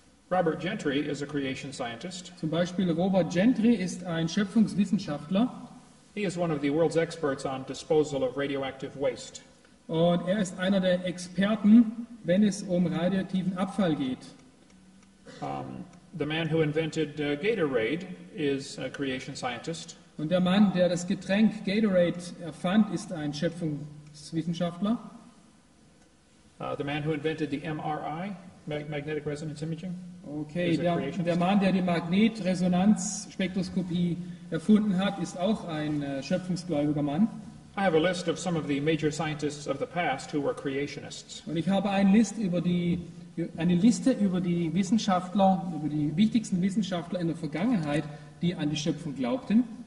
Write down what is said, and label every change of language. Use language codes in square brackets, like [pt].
[en] Robert Gentry is a creation scientist. [de] Zum Beispiel Robert Gentry ist ein Schöpfungswissenschaftler. [en] He is one of the world's experts on disposal of radioactive waste. [de] Und er ist einer der Experten, wenn es um radioaktiven Abfall geht. [en] The man who invented Gatorade is a creation scientist. [de] Und der Mann, der das Getränk Gatorade erfand, ist ein Schöpfungswissenschaftler. [en] The man who invented the MRI, magnetic resonance imaging, okay, is a creation scientist. [de] Der Mann, der die Magnetresonanzspektroskopie erfunden hat, ist auch ein schöpfungsgläubiger Mann. [en] I have a list of some of the major scientists of the past who were creationists. [de] Und ich habe eine Liste über die Wissenschaftler, über die wichtigsten Wissenschaftler in der Vergangenheit, die an die Schöpfung glaubten.